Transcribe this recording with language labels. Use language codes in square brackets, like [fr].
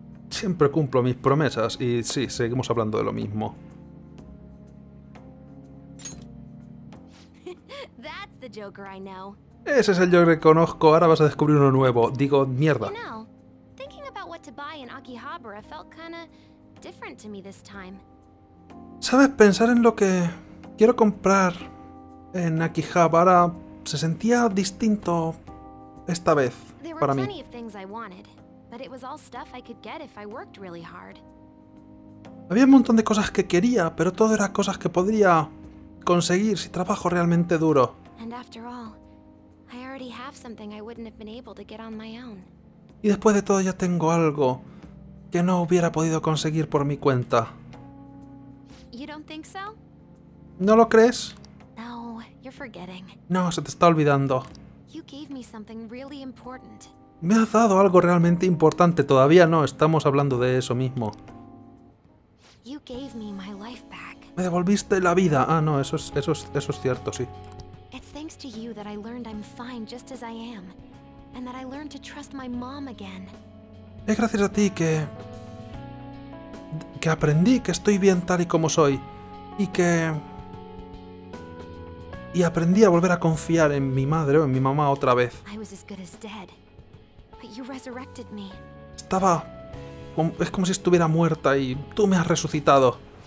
[es] Siempre cumplo mis promesas y sí, seguimos hablando de lo mismo. [en] That's the Joker I know. [es] Ese es el Joker que conozco, ahora vas a descubrir uno nuevo. Digo, mierda. [en] You know, thinking about what to buy in Akihabara felt kinda different to me this time. [es] ¿Sabes? Pensar en lo que quiero comprar en Akihabara se sentía distinto esta vez para mí. [en] But it was all stuff I could get if I worked really hard. [es] Había un montón de cosas que quería, pero todo era cosas que podría conseguir si trabajo realmente duro. [en] And after all, I already have something I wouldn't have been able to get on my own. [es] Y después de todo ya tengo algo que no hubiera podido conseguir por mi cuenta. [en] You don't think so? [es] ¿No lo crees? [en] No, you're forgetting. [es] No, se te está olvidando. [en] You gave me something really important. [es] Me has dado algo realmente importante. Todavía no, estamos hablando de eso mismo. [en] You gave me my life back. [es] Me devolviste la vida. Ah, no, eso es cierto, sí. [en] It's thanks to you that I learned I'm fine just as I am, and that I learned to trust my mom again. [es] Es gracias a ti que aprendí que estoy bien tal y como soy y que aprendí a volver a confiar en mi madre o en mi mamá otra vez. [en] I was as good as dead. You resurrected me. [es] estaba... Es como si estuviera muerta y tú me has resucitado.